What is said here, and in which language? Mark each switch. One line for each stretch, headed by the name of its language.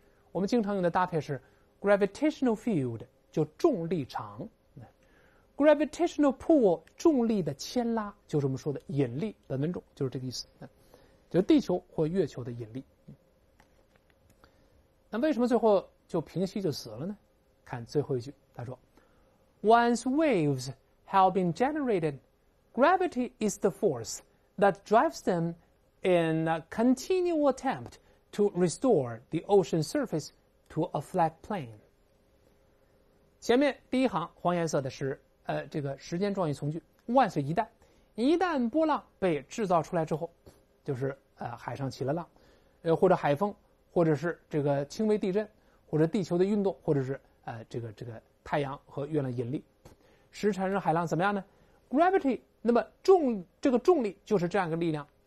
Chinese: 我们经常用的搭配是 gravitational field， 就重力场。 gravitational pull 重力的牵拉，就是我们说的引力的等种，就是这个意思，就是地球或月球的引力。那为什么最后就平息就死了呢？看最后一句，他说
English: Once waves have been generated, gravity is the force that drives them in a continual attempt to restore the ocean surface to a flat plain。
Chinese: 前面第一行黄颜色的是这个时间状语从句，万岁，一旦波浪被制造出来之后，就是海上起了浪，或者海风，或者是这个轻微地震，或者地球的运动，或者是这个太阳和月亮引力，时产生海浪怎么样呢 ？Gravity， 那么重力就是这样一个力量。